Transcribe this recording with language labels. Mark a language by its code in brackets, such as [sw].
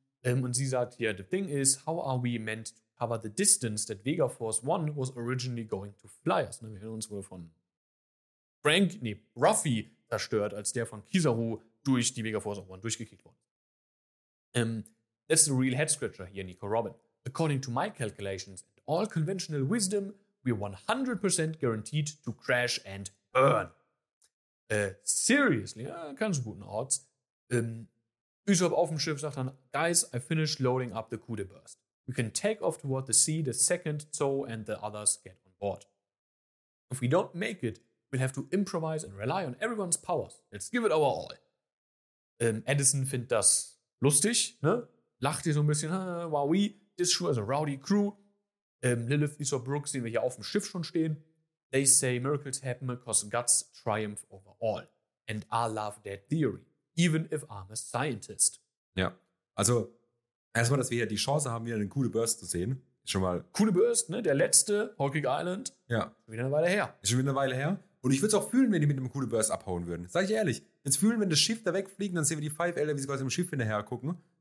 [de] Und sie sagt hier, [en] the thing is, how are we meant to cover the distance that Vega Force One was originally going to fly us? [de] Wir hören uns wohl von Ruffy zerstört, als der von Kizaru durch die Vega Force One durchgekickt wurde. [en] That's the real head scratcher here, Nico Robin. According to my calculations and all conventional wisdom, we're 100% guaranteed to crash and burn. Seriously, [de] ganz guten [en] Odds. Usopp [de] auf dem Schiff sagt dann, [en] guys, I finished loading up the coup de burst. We can take off toward the sea the second Zoe and the others get on board. If we don't make it, we'll have to improvise and rely on everyone's powers. Let's give it our all. Edison [de] findet das lustig, ne? Lacht hier so ein bisschen, [en] wowie. This sure is a rowdy crew. [de] Lilith, Usopp, Brooks sehen wir hier auf dem Schiff schon stehen. [en] They say miracles happen because guts triumph over all. And I love that theory. Even if I'm a scientist. [de] Ja, also erstmal, dass wir hier die Chance haben, wieder einen coole Burst zu sehen. Schon mal. Coole Burst, ne? Der letzte, Hawking Island. Ja. Ist schon wieder eine Weile her. Und ich würde es auch fühlen, wenn die mit einem coole Burst abhauen würden. Sag ich ehrlich. Jetzt fühlen, wenn das Schiff da wegfliegt, dann sehen wir die Five Elder, wie sie quasi im Schiff hinterher gucken.